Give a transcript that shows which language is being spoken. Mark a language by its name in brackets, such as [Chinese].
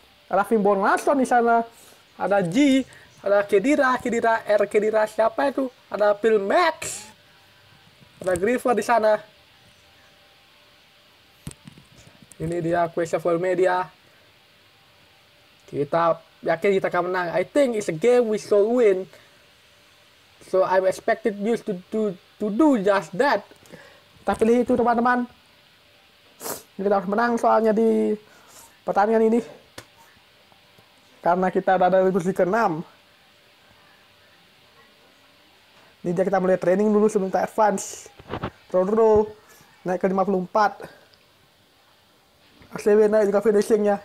[Indonesian] Ada Fimbor Nason di sana. Ada G. Ada Kedira. Siapa itu? Ada Phil Max. Ada Griffith di sana. Ini dia question for media. Kita yakin kita akan menang. [English] I think it's a game we should win. So I'm expected you to do just that. [Indonesian] Kita pilih itu, teman-teman. Kita harus menang soalnya di pertandingan ini. Karena kita udah ada di posisi ke-6. Ini dia kita mulai training dulu sebelum kita advance. Roll. Naik ke 54. ACW naik juga finishingnya.